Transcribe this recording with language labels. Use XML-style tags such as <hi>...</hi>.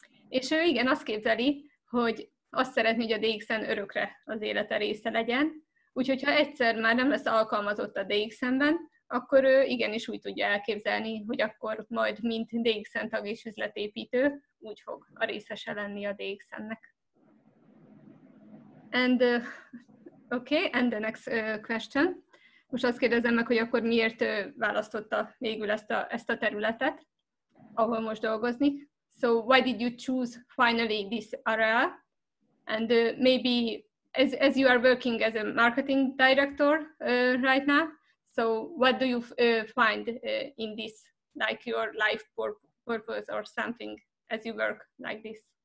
<hu>És ő igen, azt képzeli, hogy azt szeretné, hogy a DXN örökre az élete része legyen, úgyhogy ha egyszer már nem lesz alkalmazott a DXN-ben, akkor ő igenis úgy tudja elképzelni, hogy akkor majd mint DXN tag és üzletépítő úgy fog a részese lenni a DXN-nek.</hu> <en>And, okay, and the next question.</en> <hu>Most azt kérdezem meg, hogy akkor miért választotta végül ezt a területet, ahol most dolgozni.</hu> <en>So why did you choose finally this area? And maybe as you are working as a marketing director right now, so what do you find in this, like your life purpose or something as you work like this?</en>